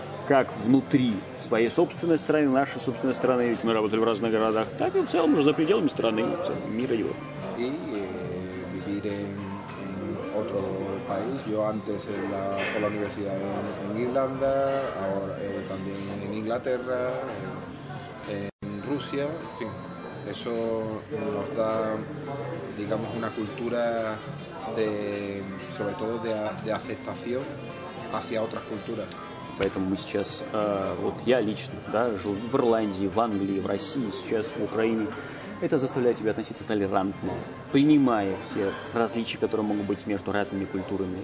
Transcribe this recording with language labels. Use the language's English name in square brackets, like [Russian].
[Russian] Как внутри своей собственной страны, нашей собственной страны, ведь мы работали в разных городах, так и в целом уже за пределами страны, в целом мира его. [Spanish] И vivir en otro país. Yo antes por la universidad en Irlanda, ahora también en Inglaterra, en Rusia, en fin, eso nos da, digamos, una cultura de, sobre todo de aceptación hacia otras culturas. [Russian] Поэтому мы сейчас, вот я лично, да, жил в Ирландии, в Англии, в России, сейчас в Украине. Это заставляет тебя относиться толерантно, принимая все различия, которые могут быть между разными культурами.